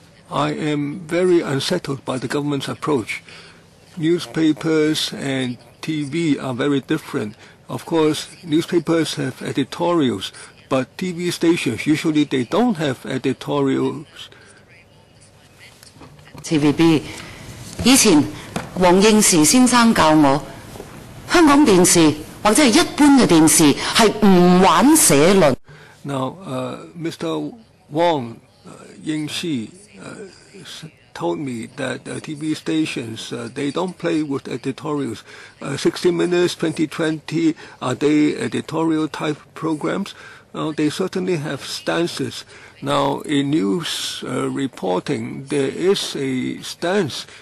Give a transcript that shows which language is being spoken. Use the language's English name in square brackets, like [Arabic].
[English] I am very unsettled by the government's approach. Newspapers and TV are very different. Of course, newspapers have editorials, but TV stations, usually they don't have editorials. [Chinese] TVB, 以前王應時先生教我,香港電視或者一般的電視是不玩社論。 [English] Now, Mr. Wong Ying-si told me that TV stations, they don't play with editorials. 60 Minutes, 2020, are they editorial type programs? They certainly have stances. Now, in news reporting, there is a stance.